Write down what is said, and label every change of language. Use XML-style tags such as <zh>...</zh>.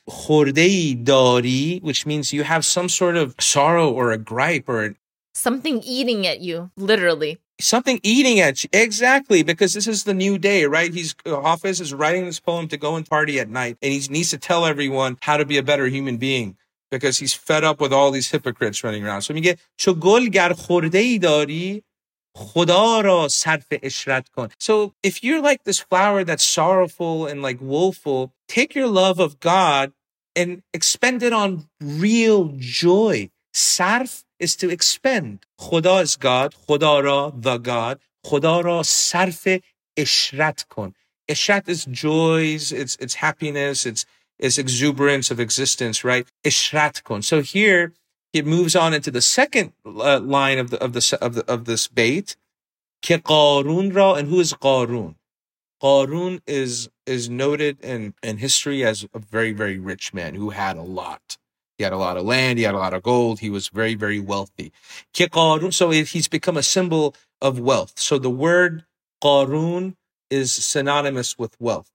<fa>خورده داری,</fa> <en>which means you have some sort of sorrow or a gripe or... Something eating at you, literally. Something eating at you. Exactly, because this is the new day, right? Hafiz is writing this poem to go and party at night, and he needs to tell everyone how to be a better human being. because he's fed up with all these hypocrites running around. So</en> <fa>میگه چو گل گر خورده ای داری خدا را صرف اشرت کن.</fa> <en>So if you're like this flower that's sorrowful and like woeful, take your love of God and expend it on real joy. صرف is to expend. خدا is God. خدا را the God.</en> <fa>خدا را صرف اشرت کن.</fa> <en>اشرت is joys. It's happiness. It's exuberance of existence, right?</en> <fa>اشرت کن.</fa> <en>So here it moves on into the second line of this bait.</en> <fa>که قارون را,</fa> <en>and who is</en> <fa>قارون?</fa> <en>قارون is noted in history as a very, very rich man who had a lot. He had a lot of land. He had a lot of gold. He was very, very wealthy.</en> <fa>که قارون,</fa> <en>so he's become a symbol of wealth. So the word قارون is synonymous with wealth.</en>